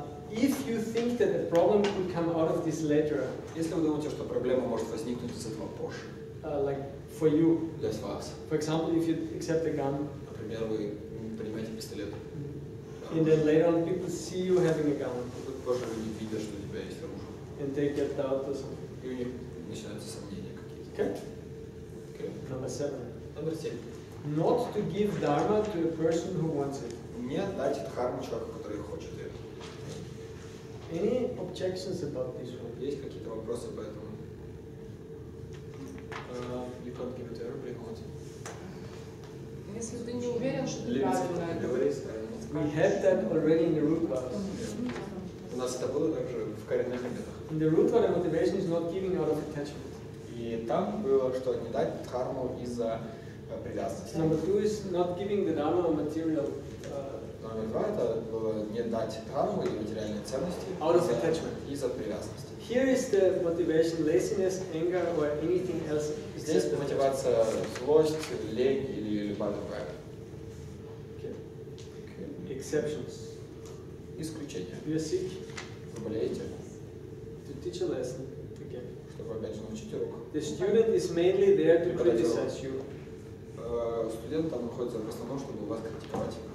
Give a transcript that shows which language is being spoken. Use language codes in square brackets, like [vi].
[en] If you think that the problem could come out of this letter. [ru] Если вы думаете, что проблема может возникнуть из этого позже. [en] Like for you. [ru] Для вас. [en] For example, if you accept a gun. [ru] Например, вы принимаете пистолет. [en] And then later on people see you having a gun. [ru] Тут позже люди видят, что у тебя есть оружие. [en] And they get doubt or something. [ru] Начинаются сомнения какие-то. [en] Number seven. Not to give dharma to a person who wants it. [ru] Не отдать дхарму человеку, который хочет ее. [en] Any objections about this one? [ru] Есть какие-то вопросы по этому? [en] You can't give it to everybody who wants it. [ru] Если ты не уверен, что ты правильно. [en] We have that already in the root verse. [ru] У нас это было также в коренных методах. [en] In the root word, motivation is not giving out of attachment. [ru] И там было, что не дать дхарму из-за привязанности. [en] Number two is not giving the dharma a material. [ru] Номер два это было не дать дхарму или материальные ценности. [en] Out of attachment. [ru] Из-за привязанности. [en] Here is the motivation: laziness, anger, or anything else. [ru] Здесь мотивация злость, лень или любая другая. [en] Okay. Exceptions. [ru] Исключения. [en] You are sick. [ru] Вы болеете. [en] To teach a lesson, okay. [ru] Чтобы опять же научить урок. [en] The student is mainly there to criticize you. [ru] Студент там находится в основном, чтобы вас критиковать.